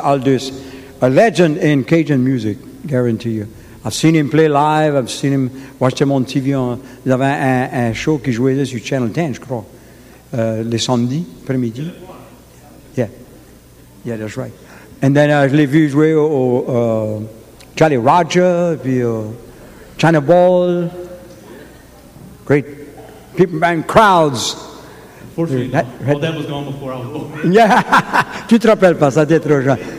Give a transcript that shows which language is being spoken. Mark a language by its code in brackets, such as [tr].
[en] Aldous, a legend in Cajun music, guarantee you. I've seen him play live, I've seen him watch him on TV. [fr] Il avait un show qui jouait sur Channel 10, je crois, les samedis, après-midi. [en] Yeah, that's right. And then [fr] je l'ai vu jouer au Charlie Roger, puis [en] China Ball, great people and crowds. Unfortunately, all that was gone before I was born. [fr] Yeah, tu te rappelles pas, ça t'est trop jeune.